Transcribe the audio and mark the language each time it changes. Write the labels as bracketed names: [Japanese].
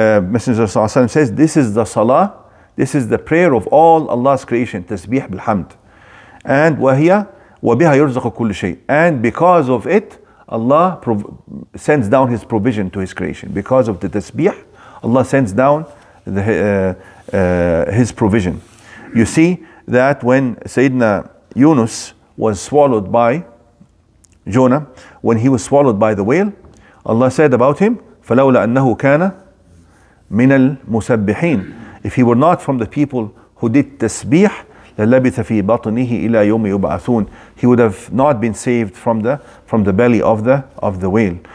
[English] Messenger [Arabic] صلى الله عليه وسلم [English] says, this is the salah, this is the prayer of all Allah's creation, tasbih bilhamd. And [Arabic] وَهِيَ وَبِهَا يُرْزَقُ كُلِّ شَيْءٍ. [English] And because of it, Allah sends down His provision to His creation. Because of the tasbih, Allah sends down His provision. You see that when Sayyidina Yunus was swallowed by Jonah, when he was swallowed by the whale, Allah said about him, [Arabic] فَلَوْلَا أَنَّهُ كَانَ مِنَ الْمُسَبِّحِينَ, [English] if he were not from the people who did tasbih, [Arabic] لَلَبِثَ فِي بَطْنِهِ إِلَى يَوْمِ يُبْعَثُونَ, [English] he would have not been saved from the belly of the whale.